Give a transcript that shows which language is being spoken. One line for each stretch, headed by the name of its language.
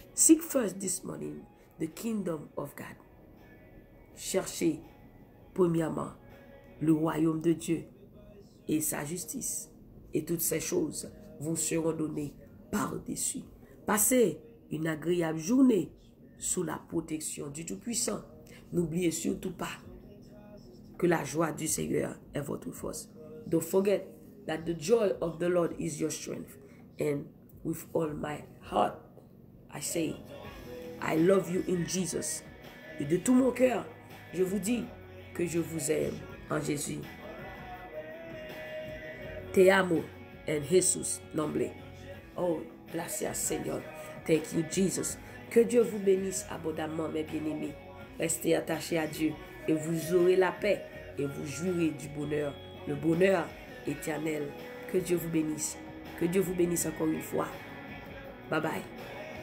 English: Seek first this morning the kingdom of God.
French: Cherchez premièrement le royaume de Dieu et sa justice, et toutes ces choses vous seront données par-dessus. Passez une agréable journée sous la protection du Tout-Puissant. N'oubliez surtout pas que la joie du Seigneur est votre force.
English: Don't forget that the joy of the Lord is your strength. And with all my heart, I say, I love you in Jesus.
French: Et de tout mon cœur, je vous dis que je vous aime en Jésus.
Spanish: Te amo en Jesus nombre. Oh, gracias Seigneur.
English: Thank you Jesus.
French: Que Dieu vous bénisse abondamment, mes bien-aimés. Restez attachés à Dieu et vous aurez la paix et vous jouirez du bonheur, le bonheur éternel. Que Dieu vous bénisse. Que Dieu vous bénisse encore une fois. Bye bye.